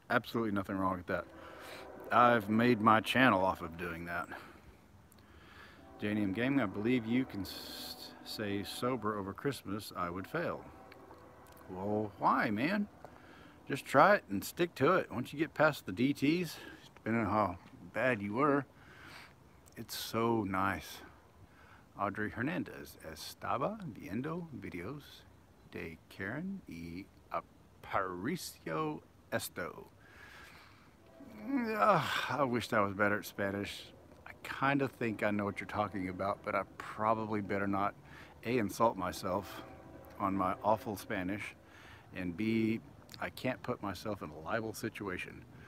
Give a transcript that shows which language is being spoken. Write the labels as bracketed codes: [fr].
[en] Absolutely nothing wrong with that. I've made my channel off of doing that. Janium Gaming, I believe you can say sober over Christmas, I would fail. Well, why, man? Just try it and stick to it. Once you get past the DTs, depending on how bad you were. It's so nice. [es] Audrey Hernandez, estaba viendo videos de Karen y Aparicio Esto. [en] I wish I was better at Spanish. I kind of think I know what you're talking about, but I probably better not A, insult myself on my awful Spanish, and B, I can't put myself in a libel situation.